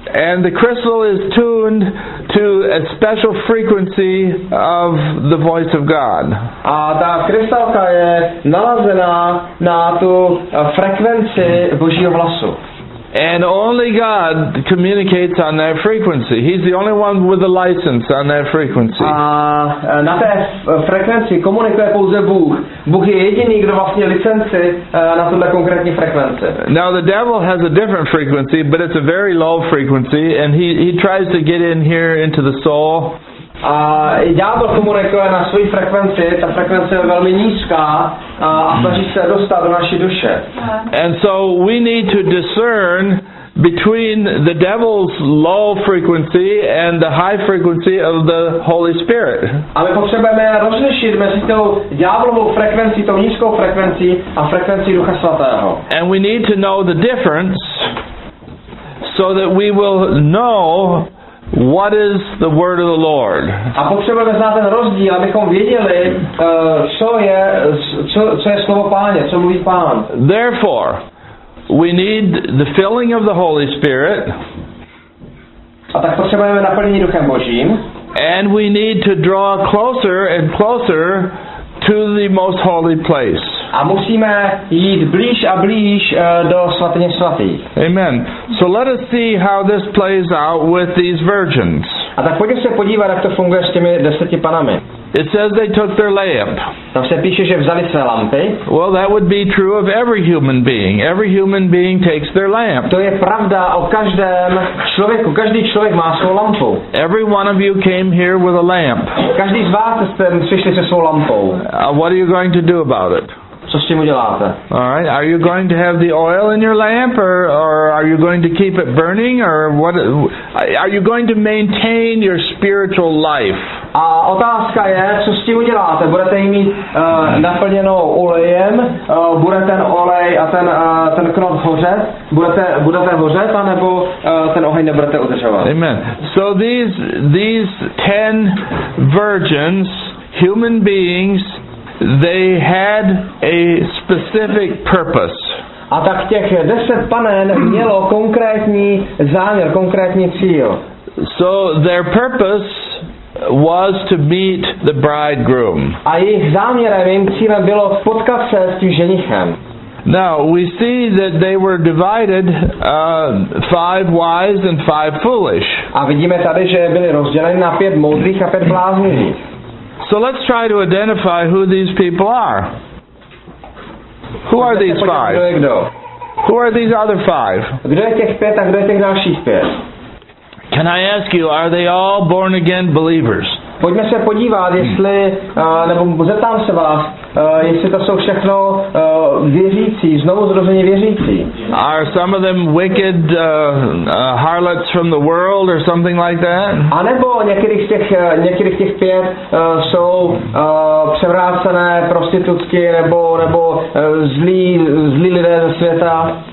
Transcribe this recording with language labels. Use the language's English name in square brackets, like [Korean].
[English] And the crystal is tuned to a special frequency of the voice of God. [Czech] A ta krystalka je nalazená na tu frekvenci Božího hlasu. [English] And only God communicates on that frequency. He's the only one with a license on that frequency. [Czech] A na té frekvenci komunikuje pouze Bůh. Bůh je jediný, kdo vlastně licenci na tuhle konkrétní frekvenci. [English] Now the devil has a different frequency, but it's a very low frequency, and he tries to get in here into the soul. [Czech] A ďábel komunikuje na své frekvenci, ta frekvence je velmi nízká a snaží se dostat do naší duše. [English] And so we need to discern between the devil's low frequency and the high frequency of the Holy Spirit. [Czech] A my potřebujeme rozlišit mezi tou ďáblovou frekvencí, tou nízkou frekvencí a frekvencí Ducha Svatého. [English] And we need to know the difference so that we will know what is the word of the Lord? [Czech] A potřebujeme znát ten rozdíl, abychom věděli, co je slovo Páně, co mluví Pán. [English] Therefore, we need the filling of the Holy Spirit. [Czech] A tak potřebujeme naplnění Duchem Božím. [English] And we need to draw closer and closer to the most holy place. [Czech] A musíme jít blíž a blíž do svatyně svatých. [English] Amen. So let us see how this plays out with these virgins. [Czech] A tak pojďme se podívat, jak to funguje s těmi deseti panami. [English] It says they took their lamp. [Czech] Tam se píše, že vzali své lampy. [English] Well, that would be true of every human being. Every human being takes their lamp. [Czech] To je pravda o každém člověku. Každý člověk má svou lampu. [English] Every one of you came here with a lamp. [Czech] Každý z vás jste přišli se svou lampou. [English] What are you going to do about it? [Czech] Co s tím uděláte? [English] All right. Are you going to have the oil in your lamp, or are you going to keep it burning, or what? Are you going to maintain your spiritual life? [Czech] A otázka je, co s tím uděláte? Budete jí mít naplněnou olejem? Bude ten olej a ten knot hořet? Budete hořet, anebo ten oheň nebudete udržovat? Amen. [English] So these ten virgins, human beings, they had a specific purpose. [Czech] A tak těch deset panen mělo konkrétní záměr, konkrétní cíl. [English] So their purpose was to meet the bridegroom. [Czech] A jejich záměrem, jejím cílem bylo potkat se s tím ženichem. [English] Now we see that they were divided five wise and five foolish. [Czech] A vidíme tady, že byli rozděleni na pět moudrých a pět bláznivých. [English] So let's try to identify who these people are. Who are these five? Who are these other five? [Czech] Kdo je těch pět a kdo je těch dalších pět? [English] Can I ask you, are they all born again believers? [Czech] Pojďme se podívat, jestli nebo zeptám se vás, jestli to jsou všechno věřící, znovu zrození věřící. [English] Are some of them wicked harlots from the world or something like that? [Czech] A nebo některých těch pět jsou převrácené prostitutky nebo zlí lidé ze světa?